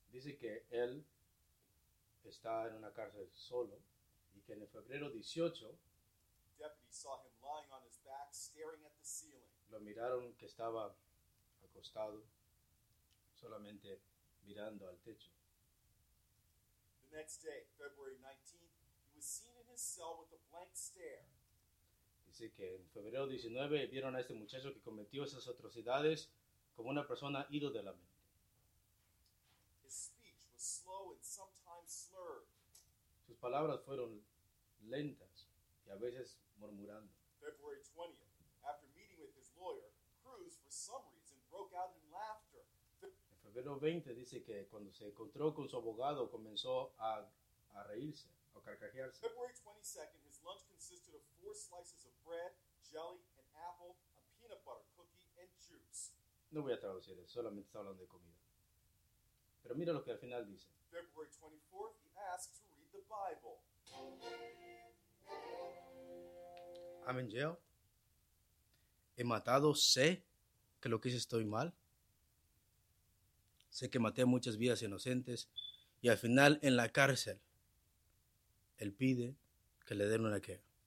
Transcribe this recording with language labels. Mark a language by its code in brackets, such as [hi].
[es] Dice que él está en una cárcel solo y que en febrero 18, [en] deputies saw him lying on his back staring at the ceiling. [es] Lo miraron que estaba acostado solamente mirando al techo. [en] The next day, February 19th, he was seen in his cell with a blank stare. [es] Dice que en febrero 19 vieron a este muchacho que cometió esas atrocidades como una persona ido de la mente. [en] His speech was slow and sometimes slurred. [es] Sus palabras fueron lentas y a veces murmurando. [en] February 20th, after meeting with his lawyer, Cruz, for some reason, broke out in laughter. [es] Proverbios 20 dice que cuando se encontró con su abogado comenzó a reírse, a carcajearse. [en] February 22nd, his lunch consisted of 4 slices of bread, jelly, an apple, a peanut butter cookie, and juice. [es] No voy a traducir eso, solamente está hablando de comida. Pero mira lo que al final dice. [en] February 24th, he asked to read the Bible. I'm in jail. [es] He matado, sé que lo que hice estoy mal. Sé que maté muchas vidas inocentes. Y al final, en la cárcel, él pide que le den una ¿qué?